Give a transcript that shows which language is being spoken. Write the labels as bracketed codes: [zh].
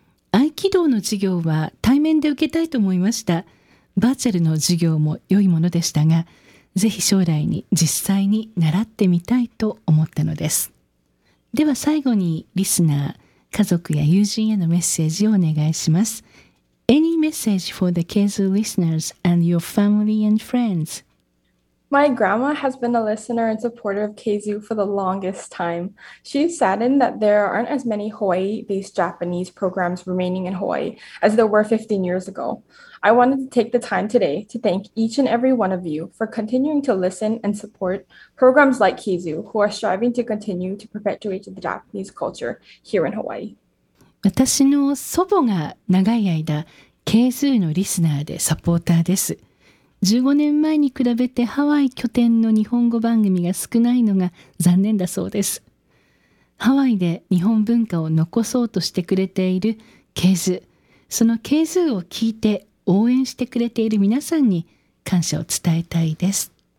[ja] 合気道の授業は対面で受けたいと思いました。バーチャルの授業も良いものでしたが、ぜひ将来に実際に習ってみたいと思ったのです。では最後にリスナー、家族や友人へのメッセージをお願いします。 [en] Any message for the Kezu listeners and your family and friends? My grandma has been a listener and supporter of Kezu for the longest time. She's saddened that there aren't as many Hawaii-based Japanese programs remaining in Hawaii as there were 15 years ago. I wanted to take the time today to thank each and every one of you for continuing to listen and support programs like Kezu, who are striving to continue to perpetuate the Japanese culture here in Hawaii. [ja] 私の祖母が長い間、Kezuのリスナーでサポーターです。 15年前に比べてハワイ拠点の日本語番組が少ないのが残念だそうです。ハワイで日本文化を残そうとしてくれているケーズ、そのケーズを聞いて応援してくれている皆さんに感謝を伝えたいです。